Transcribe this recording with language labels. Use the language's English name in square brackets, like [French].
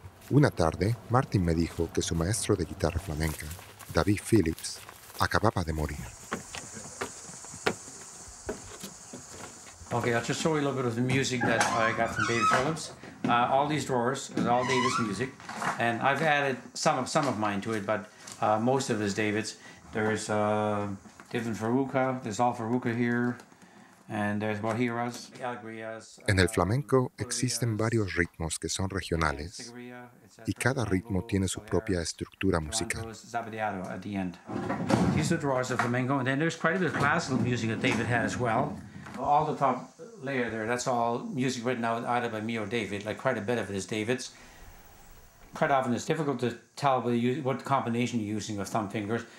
[Spanish] Una tarde, Martin me dijo que su maestro de guitarra flamenca, David Phillips, acababa de morir. [English] Okay, I'll just show you a little bit of the music that I got from David Phillips. All these drawers is all David's music, and I've added some of mine to it, but most of it is David's. There's different Faruca, there's all Faruca here, and there's Guajiras, Alegrías. [Spanish] En el flamenco existen varios ritmos que son regionales, y cada ritmo tiene su propia estructura musical. [English] Zapateado at the end. These are drawers of flamenco, and then there's quite a bit of classical music that David had as well. All the top layer there, that's all music written out either by me or David, like quite a bit of it is David's. Quite often it's difficult to tell what combination you're using of thumb fingers.